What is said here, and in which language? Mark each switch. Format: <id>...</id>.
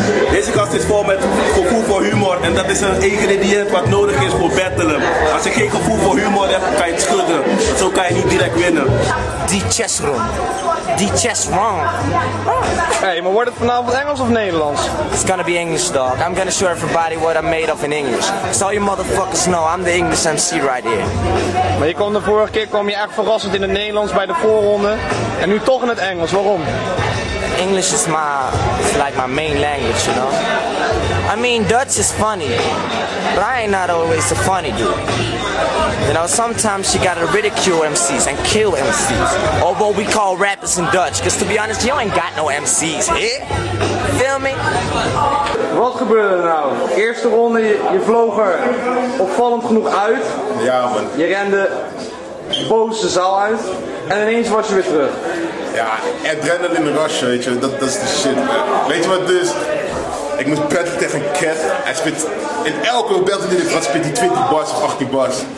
<nl>Deze kast is vol met gevoel voor humor En dat is een ingrediënt wat nodig is voor battelen. Als je geen gevoel voor humor hebt, kan je het schudden. Zo kan je niet direct winnen. Die chess run. Die chess run. Hey, maar wordt het vanavond Engels of Nederlands?</nl> <en>It's gonna be English, dog. I'm gonna show everybody what I'm made of in English. So you motherfuckers know, I'm the English MC right here.</en> <nl>Maar je kwam de vorige keer, kwam je echt verrassend in het Nederlands bij de voorronde. En nu toch in het Engels, waarom?</nl> <en>English is my, it's like my main language, you know? I mean, Dutch is funny, but I ain't not always a funny dude. You know, sometimes you gotta ridicule MCs and kill MCs. Or what we call rappers in Dutch, cause to be honest, you ain't got no MCs, eh? Feel me?</en> <nl>Wat gebeurde er nou? Eerste ronde, je vloog er opvallend genoeg uit. Ja, man. Je rende boos de zaal uit. En ineens was je weer terug. Ja, adrenaline rush, weet je, dat is de shit, man. Weet je wat het is? Ik moet praten tegen Cat. Hij spit in elke belt die ik had, spit die 20 bars of 18 bars.</nl>